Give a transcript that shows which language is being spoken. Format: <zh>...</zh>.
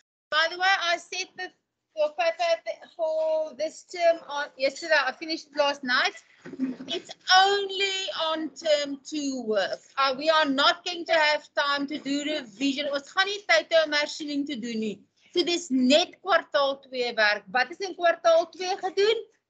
<en>By the way, I set the for this term on yesterday. I finished last night. It's only on term two work. We are not going to have time to do revision.</en> <af>Ons gaan nie tyd hê om hersiening te doen nie. So dis net kwartaal 2 werk. Wat is in kwartaal 2 gedoen?</af>